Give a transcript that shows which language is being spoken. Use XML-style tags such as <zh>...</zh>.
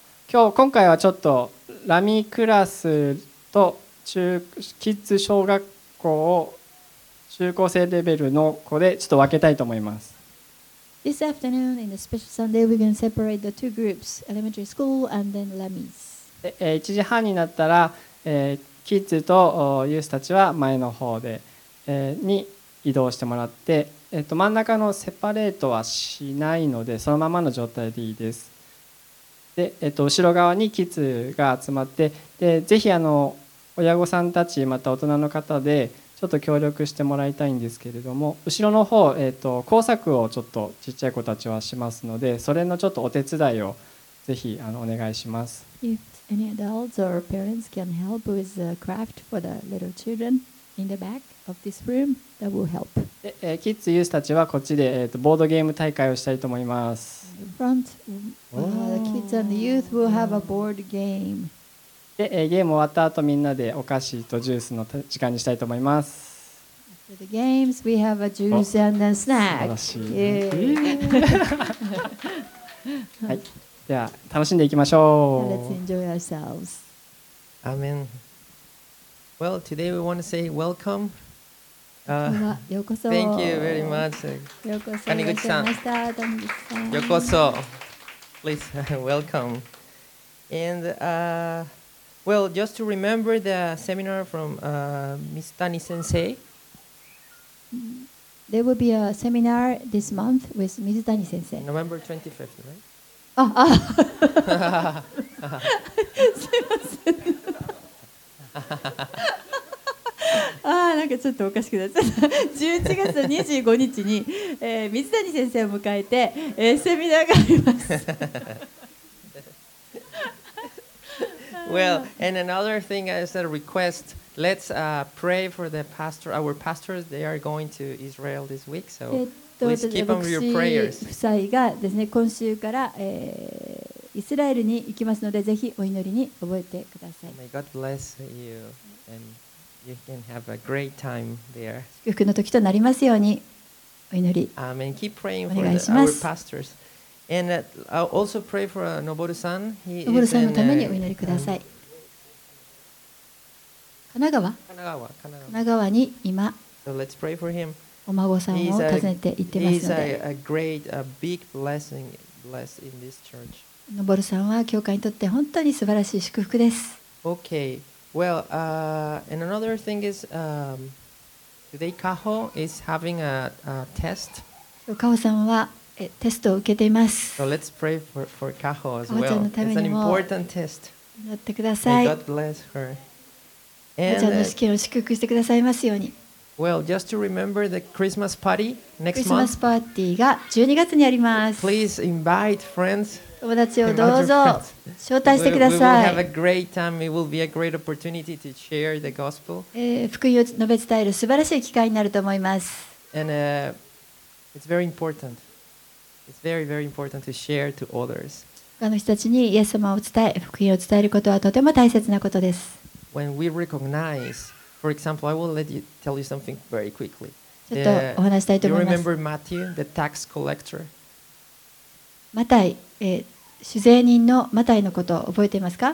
<ja>今回はちょっとラミクラスと中キッズ小学校を中高生レベルの子でちょっと分けたいと思います。</ja> <en>This afternoon in the Special Sunday we're going to separate the two groups, elementary school and then Lamis.</en> <ja>1時半になったら。キッズとユースたちは前の方で、に移動してもらって、真ん中のセパレートはしないのでそのままの状態でいいです。で、後ろ側にキッズが集まって、でぜひ親御さんたちまた大人の方でちょっと協力してもらいたいんですけれども、後ろの方、工作をちょっとちっちゃい子たちはしますので、それのちょっとお手伝いをぜひお願いします。</ja> <en>Any adults or parents can help with the craft for the little children in the back of this room that will help. Kids, youth</en> <ja>たちはこっちで、ボードゲーム大会をしたいと思います。</ja> <en>The front, the kids and the youth will have a board game.</en> <ja>で、ゲーム終わった後みんなでお菓子とジュースの時間にしたいと思います。</ja> <en>After the games, we have a juice and a snack.</en> <ja>素晴らしい。はい。では楽しんでいきましょう。</ja> <en>Let's enjoy ourselves. Amen. Well, today we want to say welcome.</en> <ja>ようこそ。</ja> <en>Thank you very much.</en> <ja>ようこそ。谷口さん。ようこそ。</ja> <en>Please welcome. And well, just to remember the seminar from Miss Tani Sensei. There will be a seminar this month with Miss Tani Sensei. November 25th, right?</en> <ja>すいません。なんかちょっとおかしくなっちゃった。11月25日に、水谷先生を迎えて、セミナーがあります。</ja> <en>Well, and another thing is a request. Let's pray for the pastor. Our pastors, they are going to Israel this week, so.</en> <ja>夫妻がですね、今週から、イスラエルに行きますので、ぜひお祈りに覚えてください。</ja> <en>May God bless you and you can have a great time there.</en> <ja>祝福の時となりますようにお祈り。</ja> <en>Amen. Keep praying for our pastors. And also pray for Noboru-san.</en> <ja>Noboru-san のためにお祈りください。神奈川。神奈川に今。</ja> <en>So let's pray for him.</en> <ja>お孫さんを訪ねて行ってますので、</ja> <en>a great, big blessing in this church.</en> <ja>のぼるさんは教会にとって本当に素晴らしい祝福です。</ja> <en>Okay, well, and another thing is, today Kaho is having a test.</en> <ja>カホさんはテストを受けています。</ja> <en>So let's pray for Kaho as well. It's an important test.</en> <ja>祈ってください。</ja> <en>May God bless her.</en> <ja>カホちゃんの試験を祝福してくださいますように。</ja> <en>Well, just to remember the Christmas party next month.</en> <ja>クリスマスパーティーが12月にあります。</ja> <en>Please invite friends.</en> <ja>友達をどうぞ招待してください。</ja> <en>We will have a great time. It will be a great opportunity to share the gospel.</en> <ja>福音を述べ伝える素晴らしい機会になると思います。</ja> <en>And it's very important. It's very, very important to share to others.</en> <ja>他の人たちにイエス様を伝え、福音を伝えることはとても大切なことです。</ja> <en>When we recognize. For example, I will let you tell you something very quickly.</en> <ja>ちょっとお話したいと思います。</ja> <en>You remember Matthew, the tax collector?</en> <ja>マタイ、主税人のマタイのことを覚えていますか?</ja>